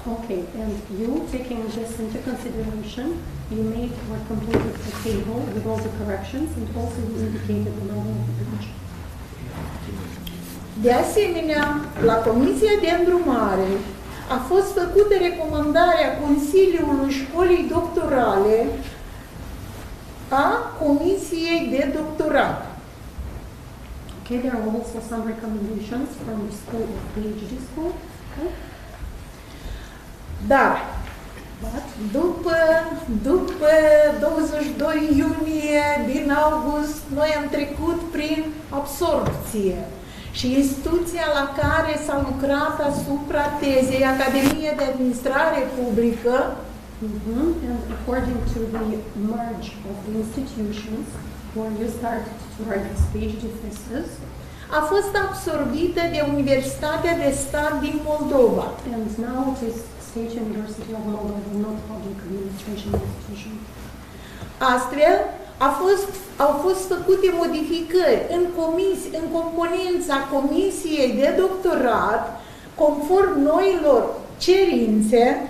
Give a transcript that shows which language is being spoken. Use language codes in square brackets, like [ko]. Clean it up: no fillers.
[en] Okay, and you, taking this into consideration, you made or completed the table with all the corrections and also you indicated the level of the correction. [ro] De asemenea, la Comisia de Îndrumare a fost făcută recomandarea Consiliului Școlii Doctorale a Comisiei de Doctorat. [en] Okay, there are also some recommendations from the School of PhD School. Okay. [ro] Da. [en] But [ro] după 22 iunie din august, noi am trecut prin absorpție. Și instituția la care s-a lucrat asupra tezei, Academia de Administrare Publică, [en] And according to the merge of the institutions when you started to write this PhD thesis, [ro] a fost absorbită de Universitatea de Stat din Moldova. [en] And now it is State University of Moldova, not public administration institution. [ro] Astfel, au fost făcute modificări în componența Comisiei de Doctorat conform noilor cerințe.